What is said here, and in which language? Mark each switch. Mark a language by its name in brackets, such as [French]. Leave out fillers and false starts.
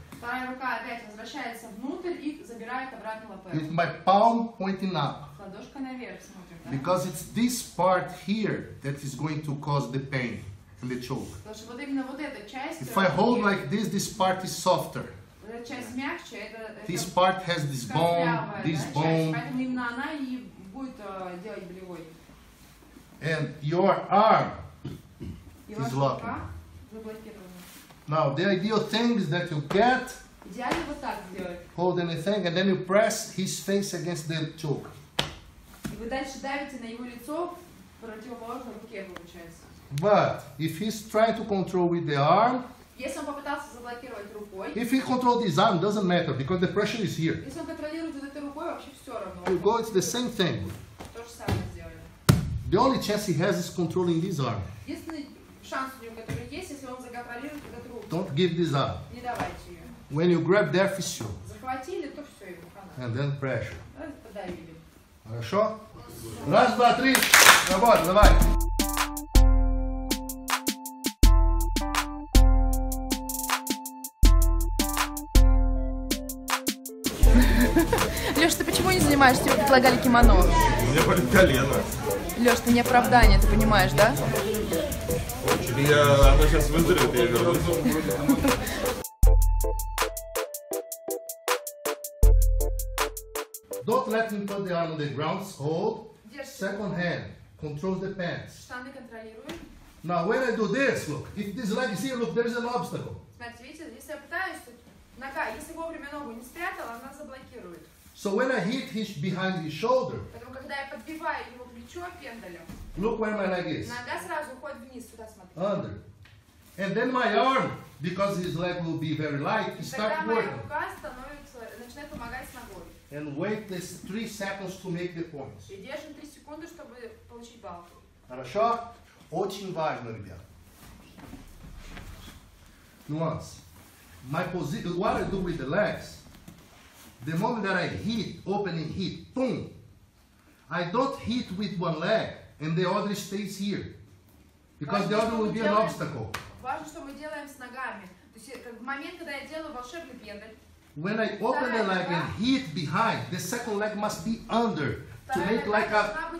[Russian] Вторая рука опять возвращается внутрь и забирает обратно лапел. [English] With my palm pointing up. [Russian] Ладошка наверх смотрит, да? [English] Because it's this part here that is going to cause the pain and the choke. [Russian] Потому что вот именно вот эта часть. [English] If I hold like this, this part is softer. [Russian] Вот эта часть мягче. Это [English] this part has this bone, this [Russian] да, [English] bone. [Russian] Часть. Поэтому именно она и будет делать болевой. [English] And your arm. [Russian] И ваша рука заблокирована. [English] Now the ideal thing is that you get. [Russian] Идеально вот так сделать. [English] Hold anything and then you press his face against the choke. [Russian] И вы дальше давите на его лицо противоположной руке получается. [English] But if he's trying to control with the arm. [Russian] Если он попытался заблокировать рукой. [English] If he controls his arm, doesn't matter because the pressure is here. [Russian] Если он контролирует вот этой рукой, вообще все равно. [English] You go, it's the same thing. [Russian] То же самое сделали. [English] The only chance he has is controlling this arm. [Russian] Единственный шанс у него, который есть, если он контролирует этот руку. [English] Don't give this arm. [Russian] Не давайте ее. [English] When you grab their fissure. [Russian] Захватили, то все, ему хана. [English] And then pressure. [Russian] Подавили. Хорошо? Раз, два, три. Работа, давай. Леша, ты почему не занимаешься? Тебе предлагали кимоно. У меня болит колено. Леша, ты не оправдание, ты понимаешь, да? Я... Она сейчас выздоровеет, я вернусь. [English] Don't let him put the arm on the ground, hold. [Russian] Держи. [English] Second hand, controls the pants. [Russian] Штаны контролируем. [English] Now, when I do this, look, if this leg is here, look, there is an obstacle. [Russian] Смотрите, видите, если я пытаюсь, то нога, если вовремя ногу не спрятала, она заблокирует. [English] So when I hit his behind his shoulder, [Russian] поэтому, когда я подбиваю его плечо пендалем, [English] look where my leg is. [Russian] Нога сразу уходит вниз, сюда смотрите. [English] Under. And then my arm, because his leg will be very light, he starts working. [Russian] Тогда моя рука становится, начинает помогать с ногой. [English] And wait this 3 seconds to make the points. [Russian] И держим 3 секунды, чтобы получить балку. Хорошо? Очень важно, ребят. [English] Nuance. My position, what I do with the legs, the moment that I hit, opening hit, boom, I don't hit with one leg and the other stays here. Because [Russian] важно, [English] the other will be [Russian] делаем, [English] an obstacle. [Russian] Важно, что мы делаем с ногами. То есть, как, в момент, когда я делаю волшебный пендаль, [English] when I open the leg and hit behind, the second leg must be under to make like a